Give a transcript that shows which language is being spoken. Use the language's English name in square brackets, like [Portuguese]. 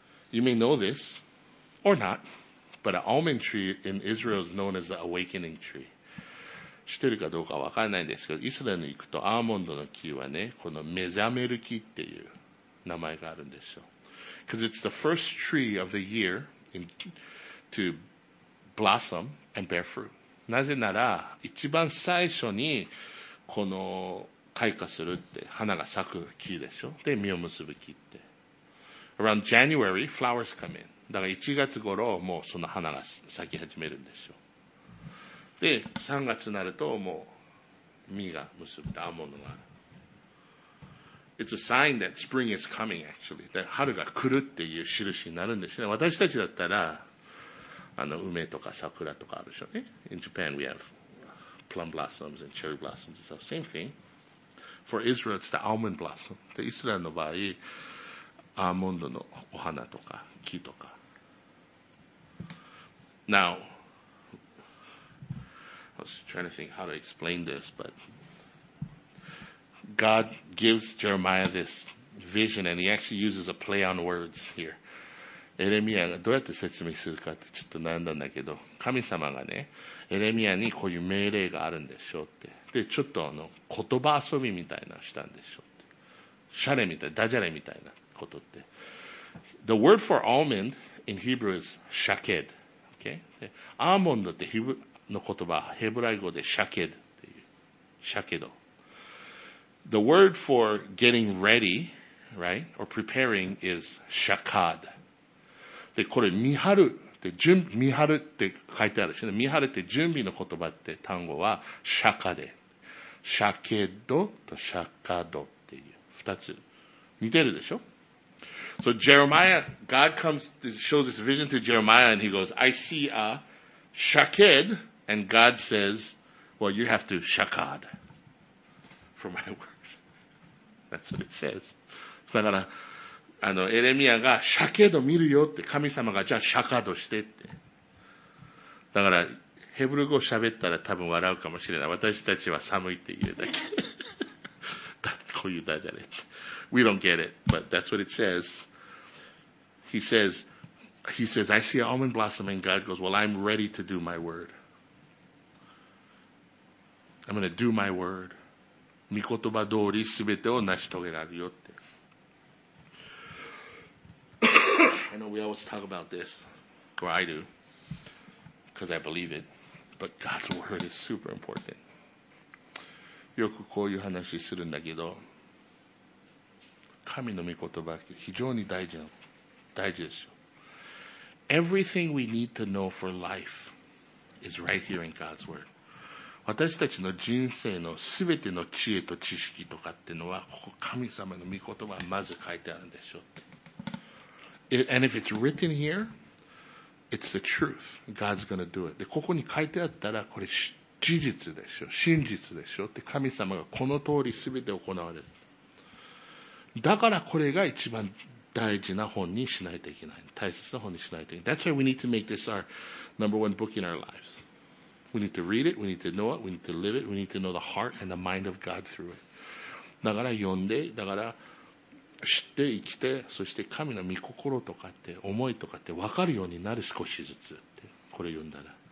[English] You may know this, or not, but an almond tree in Israel is known as the awakening tree. [Japanese] 知ってるかどうかわからないんですけど、イスラエルに行くとアーモンドの木はね、この目覚める木っていう名前があるんですよ。 [English] Because it's the first tree of the year to blossom and bear fruit. [Japanese] なぜなら、一番最初にこの開花するって花が咲く木でしょ。で、実を結ぶ木って。 [English] Around January, flowers come in. [Japanese] だから1月頃、もうその花が咲き始めるんでしょ。で、3月になるともう実が結ぶ、アーモンドがある。 [English] It's a sign that spring is coming, actually. [Japanese] That 春が来るっていう印になるんですね。私たちだったら、梅とか桜とかあるでしょうね。 [English] In Japan, we have plum blossoms and cherry blossoms and stuff. Same thing. For Israel, it's the almond blossom. [Japanese] で、イスラエルの場合、アーモンドのお花とか木とか。 [English] Now, I was trying to think how to explain this, but... God gives Jeremiah this vision and he actually uses a play on words here. [Japanese] エレミアがどうやって説明するかってちょっと悩んだんだけど、神様がね、エレミアにこういう命令があるんでしょうって。で、ちょっと言葉遊びみたいなのしたんでしょうって。シャレみたい、ダジャレみたいなことって。 [English] The word for almond in Hebrew is shaked. Okay? [Japanese] で、アーモンドってヒブの言葉、ヘブライ語でシャケドっていう。シャケド。 [English] The word for getting ready, right, or preparing is shakad. [Japanese] で、これ、見張るって、見張るって書いてあるし、見張るって準備の言葉って単語は、シャカで。シャケドとシャカドっていう、二つ。似てるでしょ [English] ?So Jeremiah, God comes, shows this vision to Jeremiah and he goes, I see a shaked, and God says, well, you have to shakad. For my word. That's what it says. [Japanese] だから、エレミアが、シャケド見るよって、神様が、じゃあ、シャカドしてって。だから、ヘブル語喋ったら多分笑うかもしれない。私たちは寒いって言うだけ。こういうダジャレ。 [English] We don't get it, but that's what it says. He says, I see an almond blossom and God goes, well, I'm ready to do my word. I'm gonna do my word. [Japanese] 御言葉通りすべてを成し遂げられるよって。 [English] I know we always talk about this, or I do, because I believe it, but God's word is super important. [Japanese] よくこういう話するんだけど、神の御言葉って非常に大事ですよ。 [English] Everything we need to know for life is right here in God's word. [Japanese] 私たちの人生のすべての知恵と知識とかっていうのは、ここ神様の御言葉はまず書いてあるんでしょうって。 [English] And if it's written here, it's the truth. God's gonna do it. [Japanese] で、ここに書いてあったら、これ事実でしょ。真実でしょ。って神様がこの通りすべて行われる。だからこれが一番大事な本にしないといけない。大切な本にしないといけない。 [English] That's why we need to make this our number one book in our lives. We need to read it, we need to know it, we need to live it, we need to know the heart and the mind of God through it. [Japanese] だから読んで、だから知って生きて、そして神の御心とかって思いとかって分かるようになる少しずつって、これ読んだら。